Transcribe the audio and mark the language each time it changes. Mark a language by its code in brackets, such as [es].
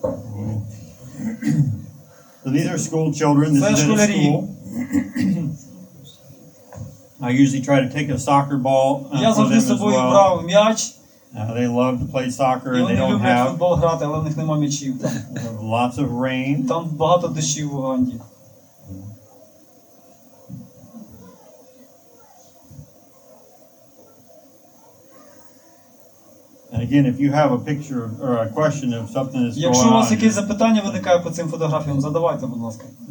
[en] So these are school children. This is [uk] школярі. [en] A school. I usually try to take a soccer ball for them as well. [uk] Брав м'яч. [en] They love to play soccer and they don't have. [uk] Вони люблять футбол грати, але в них немає м'ячів. [en] Lots of rain. [uk] Там багато дощів в Уганді. [en] Again, if you have a picture or a question of something that's [uk] Якщо [en] going on. [uk] Якщо у вас якесь запитання виникає по цим фотографіям, задавайте, будь ласка.